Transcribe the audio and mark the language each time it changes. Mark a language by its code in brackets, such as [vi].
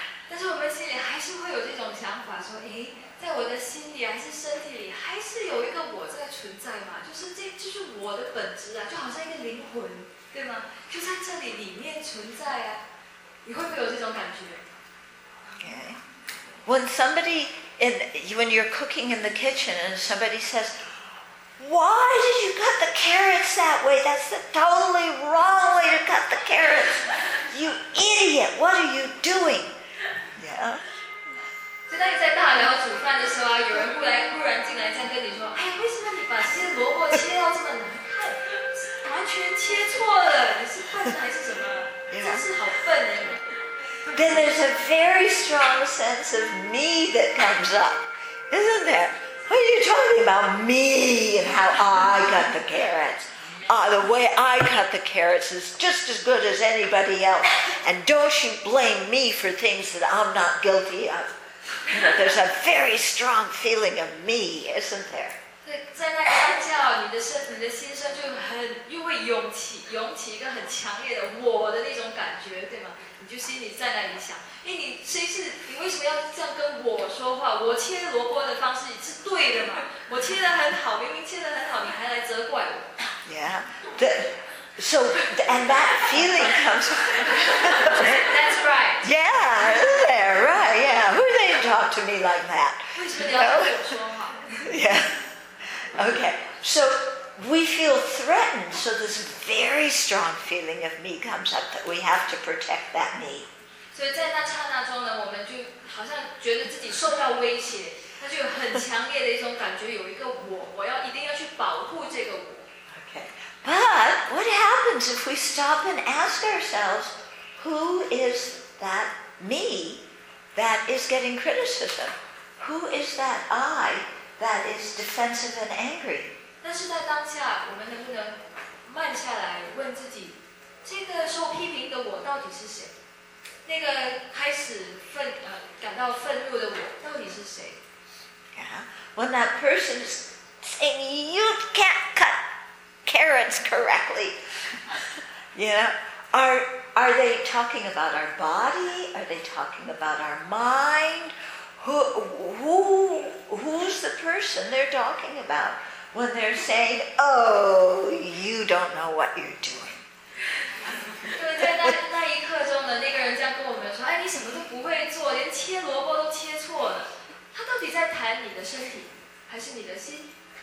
[zh] 但是我们心里还是会有这种想法说，诶，在我的心里还是身体里还是有一个我在存在嘛，就是这就是我的本质啊，就好像一个灵魂，对吗？就在这里里面存在啊，你会不会有这种感觉？ [en] Okay. When somebody in when you're cooking in the kitchen and somebody says, "Why did you cut the carrots that way? That's the totally wrong way to cut the carrots. You idiot! What are you doing?" Yeah. [zh] 就当你在大聊煮饭的时候啊，有人忽然进来这样跟你说，哎，为什么你把这些萝卜切到这么难看，完全切错了，你是笨还是什么？ [en] Yeah. [zh] 真是好笨哎。 [en] Then there's a very strong sense of me that comes up, isn't there? What are you talking about me and how I cut the carrots? The way I cut the carrots is just as good as anybody else. And don't you blame me for things that I'm not guilty of.You know, there's a very strong feeling of me, isn't there? [zh] 在那一叫，你的心声就很，又会涌起一个很强烈的我的那种感觉，对吗？你就心里在那里想，哎，你为什么要这样跟我说话？我切萝卜的方式是对的嘛？我切得很好，明明切得很好，你还来责怪我。 [en] Yeah, so and that feeling comes. That's right. Yeah, there, right? Yeah, who they talk to me like that? Yeah. Okay, so we feel threatened. So this very strong feeling of me comes up that we have to protect that me. So in that [zh] 刹那中呢，我们就好像觉得自己受到威胁，它就有很强烈的一种感觉，有一个我要一定要去保护这个我。 [en] But what happens if we stop and ask ourselves, who is that me that is getting criticism? Who is that I that is defensive and angry? [zh] 但是在当下，我们能不能慢下来问自己，这个受批评的我到底是谁？那个开始感到愤怒的我到底是谁？ [en] Yeah. When that person is saying, you can't cut carrots correctly. You know, are they talking about our body? Are they talking about our mind? Who's the person they're talking about when they're saying, oh, you don't know what you're doing? [zh] 对，在那一刻中的那个人这样跟我们说，哎，你什么都不会做，连切萝卜都切错了。他到底在谈你的身体，还是你的心？